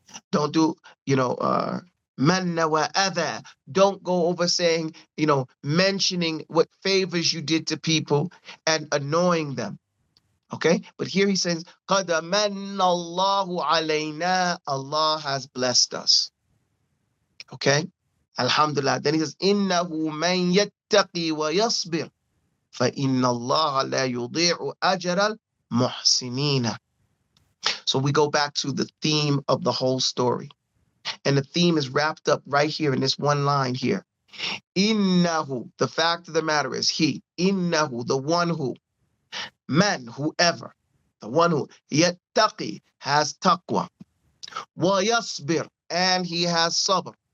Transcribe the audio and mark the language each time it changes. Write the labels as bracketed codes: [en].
[en] Don't do, you know, [ar] مَنَّ وَأَذَى. [en] Don't go over saying, you know, mentioning what favors you did to people and annoying them. Okay, but here he says, [ar] قَدْ مَنَّ اللَّهُ عَلَيْنَا. [en] Allah has blessed us. Okay, alhamdulillah. Then he says, [ar] إِنَّهُ مَنْ يَتَّقِي وَيَصْبِرْ فَإِنَّ اللَّهَ لَا يُضِيعُ أَجْرَ الْمُحْسِنِينَ. [en] So we go back to the theme of the whole story. And the theme is wrapped up right here in this one line here. إِنَّهُ, the fact of the matter is, he, إِنَّهُ, the one who, man, whoever, the one who yattaqi, has taqwa, wa yasbir, and he has sabr.